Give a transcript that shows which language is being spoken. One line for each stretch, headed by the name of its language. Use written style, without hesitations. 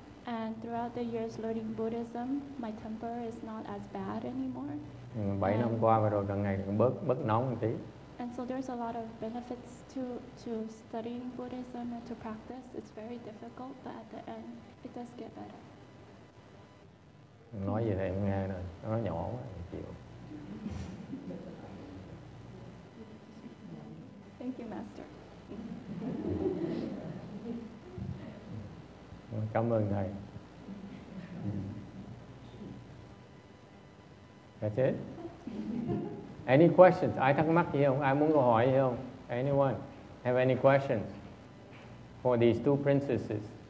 English: And throughout the years learning Buddhism, my temper is not as bad anymore.
Vietnamese: 7 năm qua và rồi càng ngày càng bớt nóng một tí.
English: And so there's a lot of benefits to studying Buddhism and to practice. It's very difficult, but at the end, it does get better.
Vietnamese: Nói gì thì em nghe rồi, nó nhỏ quá, em chịu.
English: Thank you, Master.
Vietnamese: Cảm ơn thầy.
English: That's it. Any questions?
Vietnamese: Ai thắc mắc gì không? Ai muốn câu hỏi gì không?
English: Anyone have any questions for these two princesses?